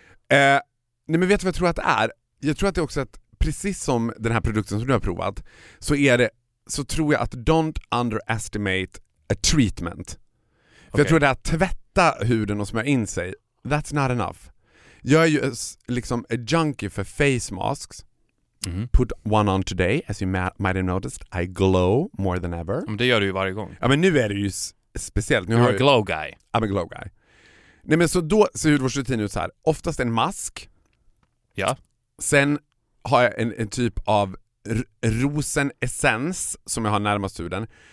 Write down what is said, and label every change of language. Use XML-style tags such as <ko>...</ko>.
<sv>Nej, men vet du vad jag tror att det är? Jag tror att det är också att precis som den här produkten som du har provat så är det, så tror jag att</sv> <en>don't underestimate a treatment.</en> <sv>För jag tror det är att tvätta huden och smörja in sig.</sv> <en>That's not enough.</en> <sv>Jag är ju liksom</sv> <en>a junkie</en> <sv>för face masks. Mm-hmm.</sv> <en>Put one on today, as you might have noticed. I glow more than ever.</en> <sv>Men det gör du ju varje gång. Ja, men nu är det ju speciellt.</sv> <en>You're a glow guy. I'm a glow guy.</en> <sv>Nej, men så då ser hudvårdsrutin ut så här. Oftast en mask. Ja. Sen har jag en typ av rosenessens som jag har närmast huden.</sv>